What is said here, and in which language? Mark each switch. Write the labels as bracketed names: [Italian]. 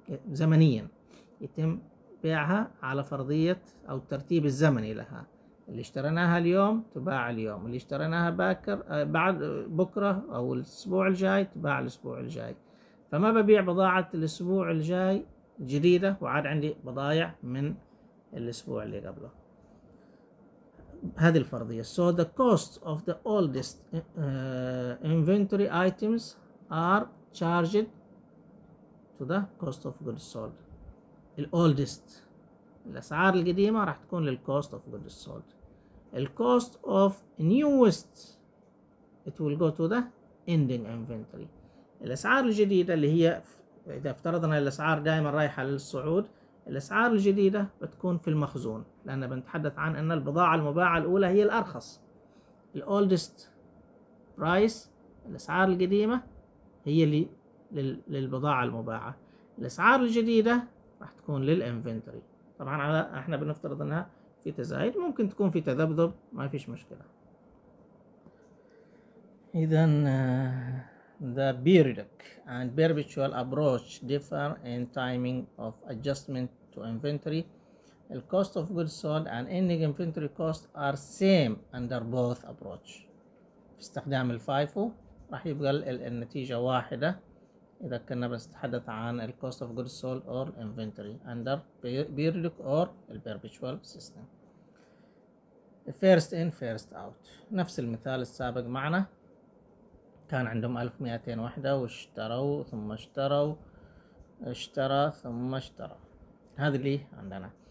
[Arabic] زمنيا يتم بيعها على فرضية او الترتيب الزمني لها، اللي اشتريناها اليوم تباع اليوم، اللي اشتريناها باكر بعد بكرة او الاسبوع الجاي تباع الاسبوع الجاي. فما ببيع بضاعة الاسبوع الجاي جديدة وعاد عندي بضايع من الاسبوع اللي قبله. هذه الفرضية. [English] So the cost of the oldest inventory items are charged to the cost of goods sold. [Arabic] الoldest الأسعار القديمة راح تكون لل cost of goods sold. [English] ال cost of newest it will go to the ending inventory. [Arabic] الأسعار الجديدة اللي هي إذا افترضنا الأسعار دائما رايحة للصعود، الأسعار الجديدة بتكون في المخزون، لأن بنتحدث عن أن البضاعة المباعة الأولى هي الأرخص. ال oldest price الأسعار القديمة هي اللي للبضاعة المباعة، الأسعار الجديدة راح تكون لل inventory. طبعا على احنا بنفترض انها في تزايد، ممكن تكون في تذبذب ما فيش مشكلة. [English] اذا the periodic and perpetual approach differ in timing of adjustment to inventory. The cost of goods sold and ending inventory cost are same under both approach. [Arabic] في استخدام الفايفو راح يبقى النتيجة واحدة إذا كنا بنتحدث عن الـ [English] cost of goods sold or inventory under periodic or perpetual system. [Arabic] First in first out نفس المثال السابق معنا، كان عندهم 1200 وحدة واشتروا ثم اشتروا اشترى ثم اشترى، هذا اللي عندنا.